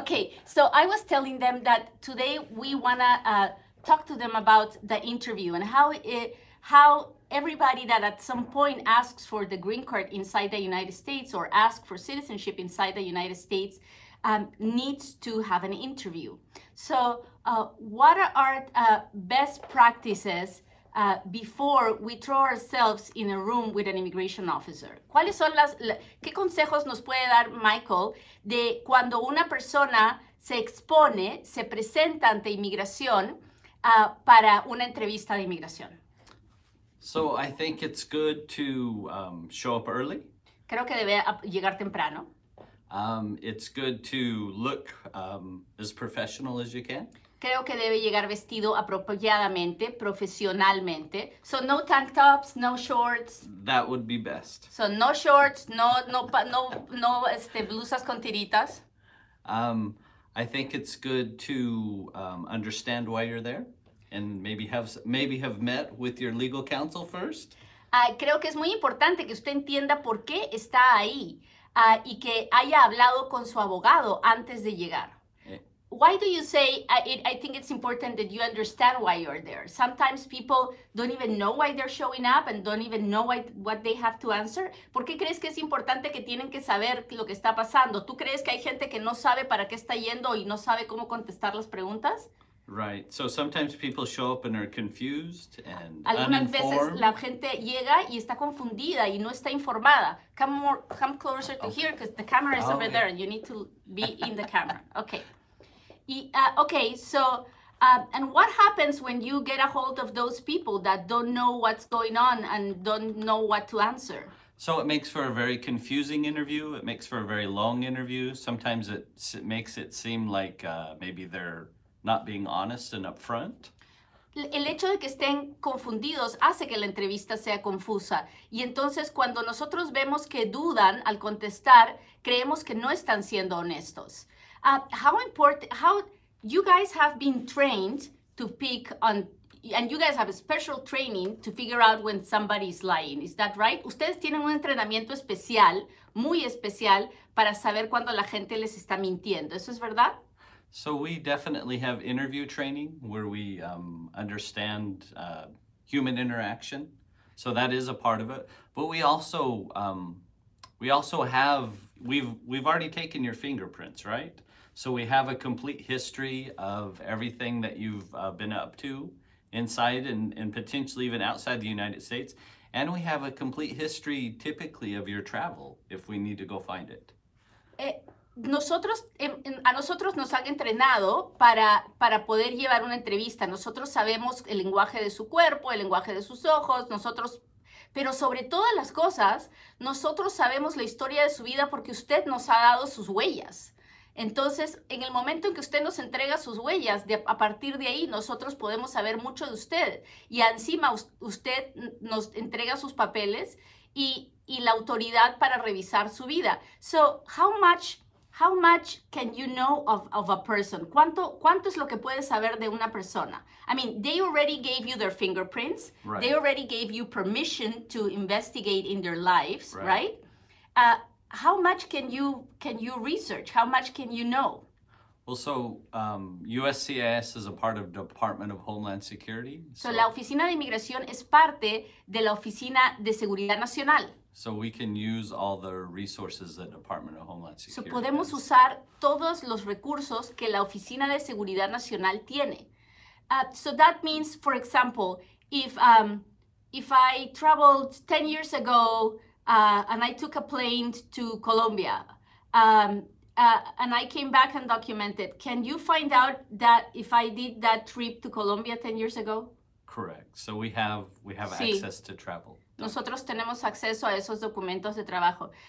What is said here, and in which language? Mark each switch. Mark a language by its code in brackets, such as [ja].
[en] Okay, so I was telling them that today we want to talk to them about the interview and how everybody that at some point asks for the green card inside the United States or asks for citizenship inside the United States needs to have an interview. So what are best practices before we throw ourselves in a room with an immigration officer? [es] ¿Cuáles son qué consejos nos puede dar Michael de cuando una persona se expone, se presenta ante inmigración para una entrevista de inmigración? [en] So I think it's good to show up early. [es] Creo que debe llegar temprano. [en] It's good to look as professional as you can. [es] Creo que debe llegar vestido apropiadamente, profesionalmente. [en] So no tank tops, no shorts. That would be best. So no shorts, no [es] blusas con tiritas. [en] I think it's good to understand why you're there and maybe have met with your legal counsel first. [es] Creo que es muy importante que usted entienda por qué está ahí y que haya hablado con su abogado antes de llegar. [en] Why do you say, I think it's important that you understand why you're there? Sometimes people don't even know why they're showing up and don't even know what they have to answer. [es] ¿Por qué crees que es importante que tienen que saber lo que está pasando? ¿Tú crees que hay gente que no sabe para qué está yendo y no sabe cómo contestar las preguntas? [en] Right. So sometimes people show up and are confused and uninformed. [es] Algunas veces la gente llega y está confundida y no está informada. [en] Come closer to here because the camera is over there and you need to be in the camera. Okay. And what happens when you get a hold of those people that don't know what's going on and don't know what to answer? So it makes for a very confusing interview. It makes for a very long interview. Sometimes it makes it seem like maybe they're not being honest and upfront. [es] El hecho de que estén confundidos hace que la entrevista sea confusa. Y entonces cuando nosotros vemos que dudan al contestar, creemos que no están siendo honestos. [en] How you guys have been trained to pick on, and you guys have a special training to figure out when somebody is lying. Is that right? [es] Ustedes tienen un entrenamiento especial, muy especial, para saber cuando la gente les está mintiendo. ¿Eso es verdad? [en] So we definitely have interview training where we understand human interaction. So that is a part of it. But we've already taken your fingerprints, right? So we have a complete history of everything that you've been up to inside and potentially even outside the United States. And we have a complete history typically of your travel if we need to go find it. [es] Nosotros, a nosotros nos han entrenado para poder llevar una entrevista. Nosotros sabemos el lenguaje de su cuerpo, el lenguaje de sus ojos, nosotros, pero sobre todas las cosas, nosotros sabemos la historia de su vida porque usted nos ha dado sus huellas. Entonces, en el momento en que usted nos entrega sus huellas, a partir de ahí, nosotros podemos saber mucho de usted. Y encima, usted nos entrega sus papeles y la autoridad para revisar su vida. [en] So, how much can you know of a person? [es] ¿Cuánto es lo que puedes saber de una persona? [en] I mean, they already gave you their fingerprints. Right. They already gave you permission to investigate in their lives, right? How much can you research? How much can you know? Well, so USCIS is a part of Department of Homeland Security. [es] So la Oficina de Inmigración es parte de la Oficina de Seguridad Nacional. [en] So we can use all the resources that Department of Homeland Security. [es] So podemos usar todos los recursos que la Oficina de Seguridad Nacional tiene. [en] So that means, for example, if I traveled 10 years ago and I took a plane to Colombia and I came back undocumented, can you find out that if I did that trip to Colombia 10 years ago? Correct. So we have sí. Access to travel. [es] Nosotros tenemos acceso a esos documentos de trabajo.